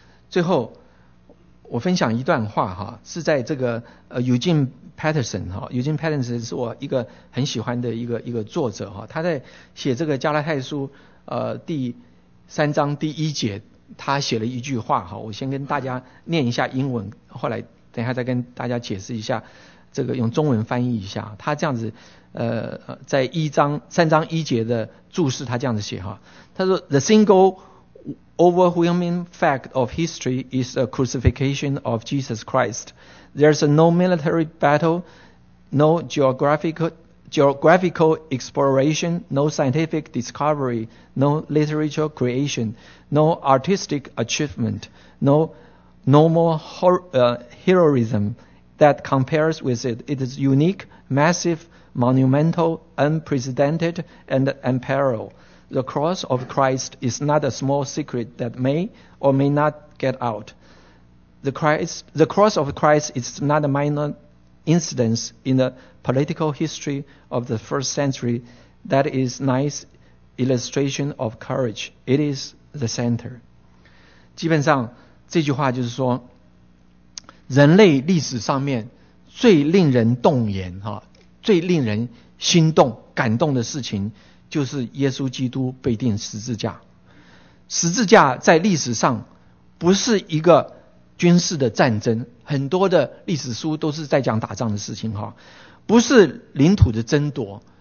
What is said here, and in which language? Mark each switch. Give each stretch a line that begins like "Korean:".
Chinese: 最后我分享一段话哈，是在这个Eugene Patterson 哈， Eugene Patterson 是我一个很喜欢的一个作者哈，他在写这个加拉太书第3章第1节，他写了一句话哈，我先跟大家念一下英文，后来等一下再跟大家解释一下，这个用中文翻译一下。他这样子，在3章1节的注释，他这样子写哈，他说 ：
English: “The single overwhelming fact of history is the crucifixion of Jesus Christ. There's no military battle, no geographical exploration, no scientific discovery, no literature creation, no artistic achievement, no normal heroism that compares with it. It is unique, massive, monumental, unprecedented, and unparalleled. The cross of Christ is not a small secret that may or may not get out. The cross of Christ is not a minor incident in the political history of the first century. That is nice illustration of courage. It is the center.
Chinese: 基本上这句话就是说，人类历史上面最令人动言，最令人心动感动的事情，就是耶稣基督被钉十字架。十字架在历史上不是一个军事的战争，很多的历史书都是在讲打仗的事情，不是领土的争夺。